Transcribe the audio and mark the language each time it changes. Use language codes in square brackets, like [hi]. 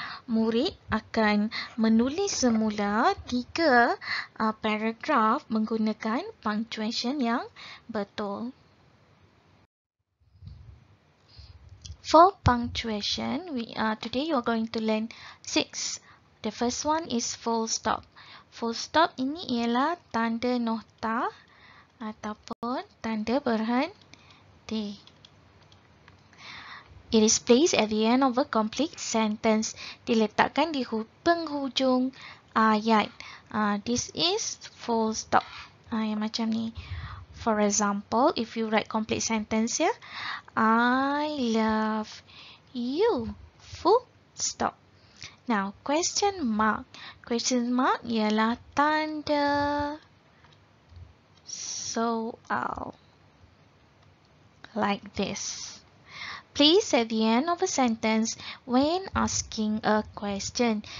[ms] Murid akan menulis semula 3 paragraph menggunakan punctuation yang betul. [en] For punctuation, today you are going to learn 6. The first one is full stop. [ms] Full stop ini ialah tanda nota ataupun tanda berhenti. [en] It is placed at the end of a complete sentence. [ms] Diletakkan di penghujung ayat. [en] This is full stop. [ms] Yang macam ni. [en] For example, if you write complete sentence ya. I love you. Full stop. Now, question mark. [ms] Question mark ialah tanda soal. [en] Like this. Place at the end of a sentence when asking a question.